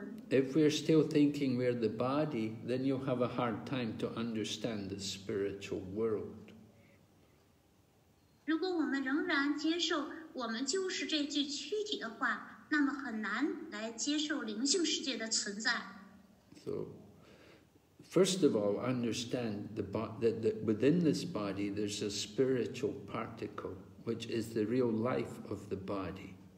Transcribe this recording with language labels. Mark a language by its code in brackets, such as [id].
[en] If we're still thinking we're the body, then you'll have a hard time to understand the spiritual world. [zh] 如果我们仍然接受我们就是这具躯体的话，那么很难来接受灵性世界的存在。 [en] So, first of all, understand that within this body there's a spiritual particle, which is the real life of the body.